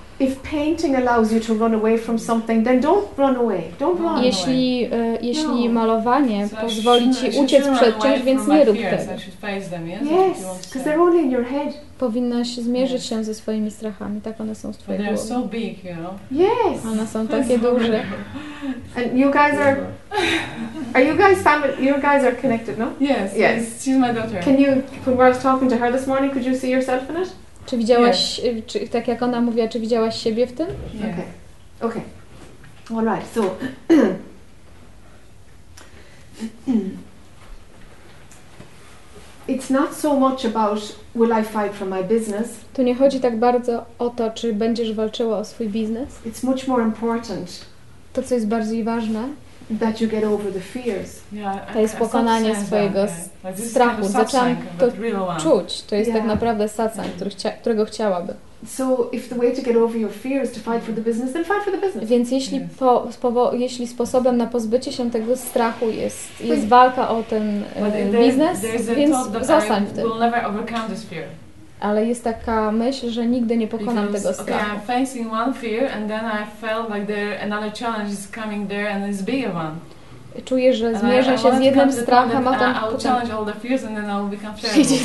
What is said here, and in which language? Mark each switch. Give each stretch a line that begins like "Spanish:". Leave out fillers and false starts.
English: If painting allows you to run away from something, then don't run away. Don't run.
Polish: Jeśli malowanie pozwoli ci uciec przed czymś, więc nie rób tego.
English: Yes, because they're only in your head.
Polish: Powinnaś zmierzyć się ze swoimi strachami, tak one są w twojej głowie.
English: They're so big, you know. Yes.
Polish: One są takie duże.
English: And you guys are you guys family? You guys are connected, no? Yes. Yes. She's my daughter. Can you, when I was talking to her this morning, could you see yourself in it?
Polish: Czy widziałaś, czy, tak jak ona mówiła, czy widziałaś siebie w tym?
English: Yeah. Okay. All right. So, it's not so much about will I fight for my business.
Polish: To nie chodzi tak bardzo o to, czy będziesz walczyła o swój biznes.
English: It's much more important.
Polish: To co jest bardziej ważne.
English: That you get over the fears. Yeah,
Polish: to jest pokonanie swojego strachu. Zaczęłam to czuć. To jest tak naprawdę satsang, którego chciałaby.
English: So if the way to get over your fear is to fight for the business, then fight for the business.
Polish: Więc jeśli jeśli sposobem na pozbycie się tego strachu jest walka o ten biznes, więc zasań w tym.
English: We'll never overcome this fear.
Polish: Ale jest taka myśl, że nigdy nie pokonam
English: because,
Polish: tego strachu.
English: Okay, I'm facing one fear and then I felt like there another challenge is coming there and it's bigger one.
Polish: Czuję, że zmierza się z jednym strachem, a potem
English: I'll challenge all the fears and then I'll become fearful.